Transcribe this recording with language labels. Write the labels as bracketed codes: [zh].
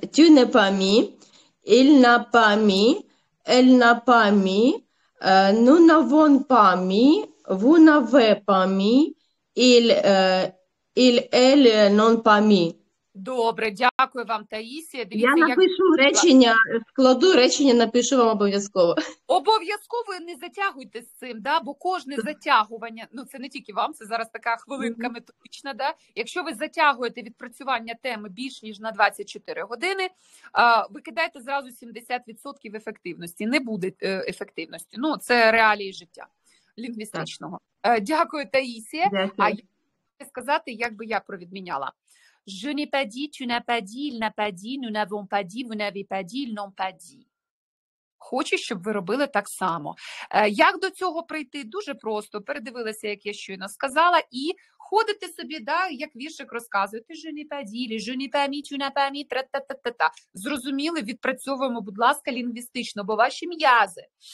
[fr] Tu n'es pas mis, il n'a pas mis, elle n'a pas mis, nous n'avons pas mis, vous n'avez pas mis, elle n'ont pas mis. [uk] Добре, дякую вам, Таїсія. Дивіться, я напишу як... речення, складу речення, напишу вам обов'язково. Обов'язково, не затягуйте з цим, да? Бо кожне затягування, ну це не тільки вам, це зараз така хвилинка методична, да? Якщо ви затягуєте відпрацювання теми більш ніж на 24 години, ви кидаєте зразу 70% ефективності, не буде ефективності. Ну, це реалії життя лінгвістичного. Дякую, Таїсія. Дякую. А я сказати, як би я провідміняла. [fr] Je n'ai pas dit, tu n'as pas dit, il n'a pas dit, nous n'avons pas dit, vous n'avez pas dit, ils n'ont pas dit. [uk] Хочу, щоб ви робили так само. Як до цього прийти? Дуже просто. Передивилися, як я щойно сказала, і ходите собі, да, як віршик розказуєте, [fr] je n'ai pas dit, je n'ai pas mis, [uk] tu n'as pas mis, та-та-та-та-та. Зрозуміли, відпрацьовуємо, будь ласка, лінгвістично, бо ваші м'язи.